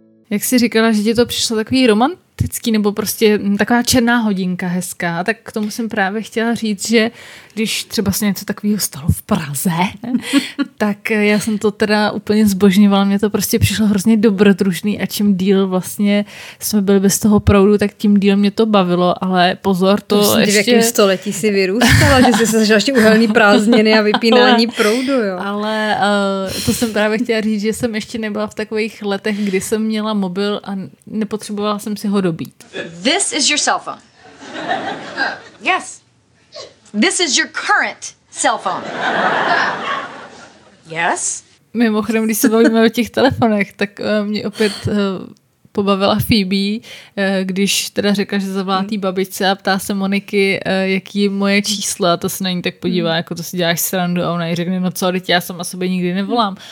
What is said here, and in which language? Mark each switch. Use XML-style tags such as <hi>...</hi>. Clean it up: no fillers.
<cs>Jak jsi říkala, že ti to přišlo takový romantický nebo prostě taková černá hodinka hezká, tak k tomu jsem právě chtěla říct, že když třeba se něco takového stalo v Praze, tak já jsem to teda úplně zbožňovala, mě to prostě přišlo hrozně dobrodružný a čím díl vlastně jsme byli bez toho proudu, tak tím díl mě to bavilo, ale pozor, to ještě... V jakém století si vyrůstala, že jsi se zažila ještě uhelný prázdniny a vypínání proudu, jo? Ale to jsem právě chtěla říct, že jsem ještě nebyla v takových letech, kdy jsem měla mobil a nepotřebovala jsem si ho dobít.</cs> <en>This is your cell phone. Yes. This is your current cell phone. Yes?</en> <cs>Mimochodem, když se bavíme o těch telefonech, tak mě opět pobavila Phoebe, když teda řekla, že zavolá tý babičce a ptá se Moniky, jaký je moje číslo, a to se na ní tak podívá, jako to si děláš srandu, a ona jí řekne, no co, teď já sama sobě nikdy nevolám.</cs>